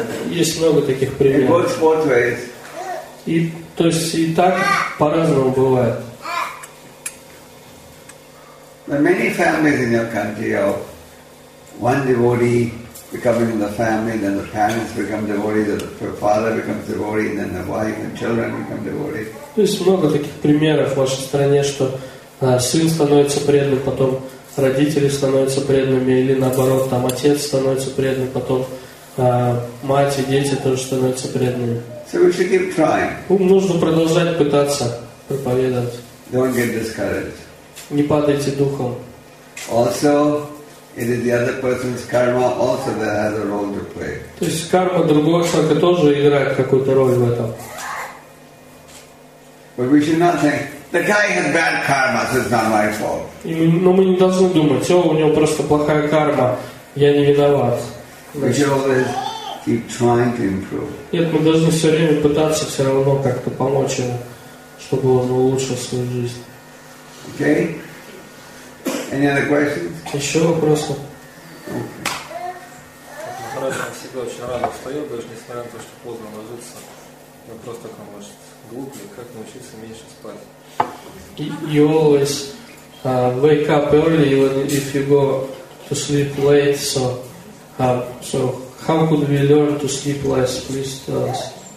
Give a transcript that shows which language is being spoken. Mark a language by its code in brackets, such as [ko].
[ru] Есть много таких примеров. И то есть и так по-разному бывает. [en] Many families in your country have one devotee becoming the family, then the parents become devotees, then the father becomes devotee, then the wife and children become devotees. [ru] То есть много таких примеров в вашей стране, что сын становится преданным, потом родители становятся преданными, или наоборот, там отец становится преданным, потом мать и дети тоже становятся преданными. [en] So we should keep trying. [ru] Нужно продолжать пытаться проповедовать. [en] Don't get discouraged. [ru] Не падайте духом. [en] Also, it is the other person's karma also that has a role to play. [ru] То есть карма другого человека тоже играет какую-то роль в этом. [en] But we should not think the guy has bad karma, so it's not my fault. [ru] Но мы не должны думать, у него просто плохая карма, я не виноват. [en] We should always keep trying to improve. [ru] Нет, мы должны все время пытаться все равно как-то помочь ему, чтобы он улучшил свою жизнь. [en] Okay. Any other questions? [ru] Еще вопросы? Всегда очень рано встает, даже несмотря на то, что поздно ложится. Вопрос такой, может, глупый, как научиться меньше спать? [en] You always wake up early even if you go to sleep late, so so how could we learn to sleep less, please tell us.